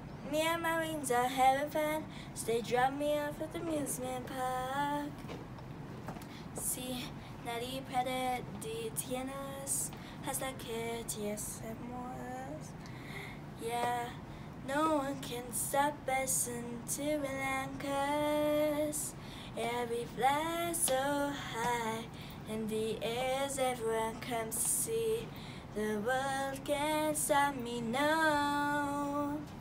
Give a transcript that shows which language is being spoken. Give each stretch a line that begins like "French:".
English: Me and my wings are having fun. So they drop me off at the amusement park.
Spanish: Si nadie puede detenernos hasta que llegamos.
English: Yeah, no one can stop us until we land, cause yeah, we fly so high in the air as everyone comes to see. The world can't stop me, no.